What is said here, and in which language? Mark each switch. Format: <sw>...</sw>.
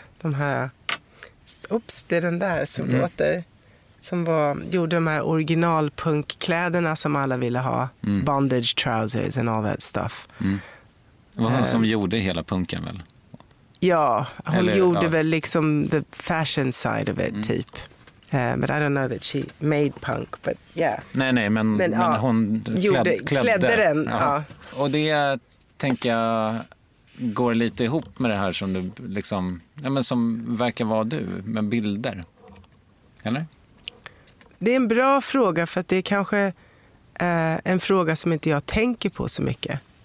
<sv>De här... Oops, det är den där som låter. Som var, gjorde de här originalpunkkläderna som alla ville ha. Mm.</sv> <en>Bondage trousers and all that stuff.</en> <sv>Mm. Det var hon som gjorde hela punken väl? Ja, hon gjorde väl liksom</sv> <en>the fashion side of it,</en> <sv>typ.</sv> <en>But I don't know that she made punk, but yeah.</en> <sv>Nej, men hon klädde den. Ja. Och det tänker jag går lite ihop med det här som du liksom, ja, men som verkar vara du, med bilder. Eller? Det är en bra fråga, för att det är kanske en fråga som inte jag tänker på så mycket.</sv>